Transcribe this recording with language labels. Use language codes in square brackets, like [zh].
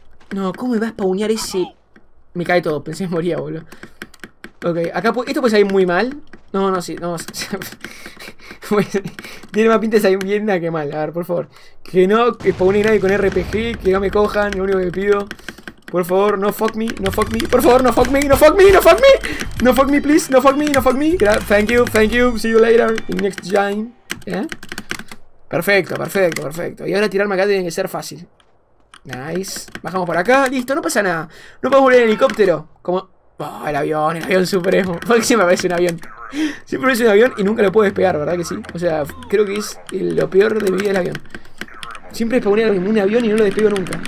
[es] No, ¿cómo me va a spawnear ese...? Me cae todo, pensé que moría, boludo. Ok, acá... Esto puede salir muy mal. No, no, sí, no. Pues, tiene más pinta de salir bien que mal. A ver, por favor. Que no spawne nadie con RPG. Que no me cojan, lo único que pido. Por favor, [en] no fuck me, no fuck me. Por favor, no fuck me, no fuck me, no fuck me. No fuck me, please, no fuck me, no fuck me. Thank you, see you later in next time. [es] ¿Eh? Perfecto, perfecto, perfecto. Y ahora tirarme acá tiene que ser fácil. Nice. Bajamos por acá. Listo, no pasa nada. No podemos volver en helicóptero. Como... Oh, el avión supremo. ¿Por qué siempre aparece un avión? Siempre aparece un avión y nunca lo puedo despegar, ¿verdad que sí? O sea, creo que es lo peor de mi vida el avión. Siempre despegué un avión y no lo despego nunca.